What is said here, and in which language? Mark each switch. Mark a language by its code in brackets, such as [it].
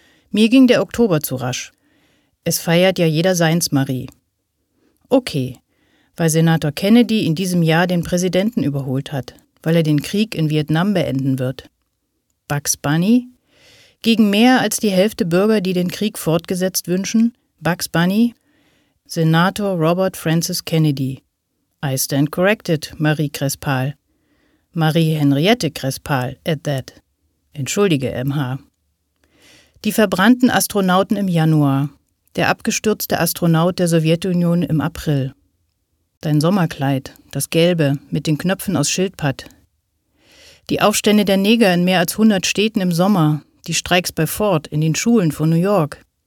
[de] Mir ging der Oktober zu rasch. Es feiert ja jeder seins, Marie. Okay, weil Senator Kennedy in diesem Jahr den Präsidenten überholt hat, weil er den Krieg in Vietnam beenden wird. Bugs Bunny? Gegen mehr als die Hälfte Bürger, die den Krieg fortgesetzt wünschen? Bugs Bunny? [en] Senator Robert Francis Kennedy. I stand corrected, Marie Crespal. Marie Henriette Crespal, at that. [de] Entschuldige, MH. Die verbrannten Astronauten im Januar. Der abgestürzte Astronaut der Sowjetunion im April. Dein Sommerkleid, das gelbe, mit den Knöpfen aus Schildpatt. Die Aufstände der Neger in mehr als 100 Städten im Sommer. Die Streiks bei Ford in den Schulen von New York.